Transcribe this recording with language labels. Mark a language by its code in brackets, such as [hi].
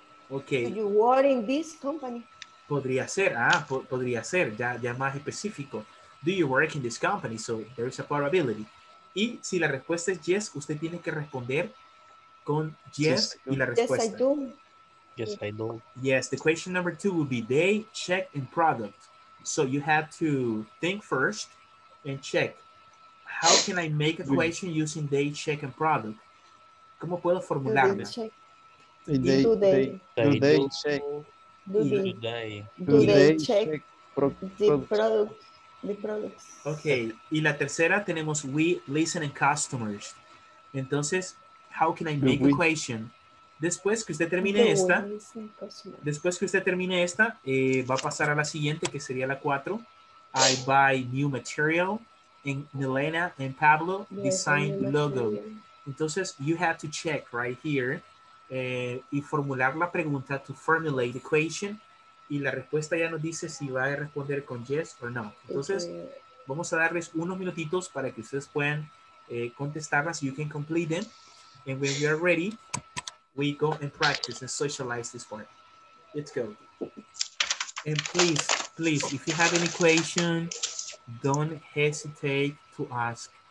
[en] Okay. Do you work in this company? [es] Podría ser, ah, podría ser, ya, ya más específico. [en] Do you work in this company? So there is a probability. [es] Y si la respuesta es yes, usted tiene que responder con yes, yes y la respuesta. [en] Yes, I do. Yes, I do. Yes, the question number two would be day, check, and product. So you have to think first and check. How can I make a question using day, check, and product? [es] ¿Cómo puedo formularla? [en] Do they check? Do they check product? The products. Okay, [es] y la tercera tenemos [en] we listen and customers. Entonces, how can I make a question? [es] Después que usted termine esta, va a pasar a la siguiente, que sería la cuatro. [en] I buy new material. And Milena and Pablo design logo. Entonces, you have to check right here [es] y formular la pregunta [en] to formulate the question. [es] Y la respuesta ya nos dice si va a responder con yes o no. Entonces, vamos a darles unos minutitos para que ustedes puedan contestarlas. [en] You can complete them. And when we are ready, we go and practice and socialize this part. Let's go. And please, please, if you have any question, don't hesitate to ask.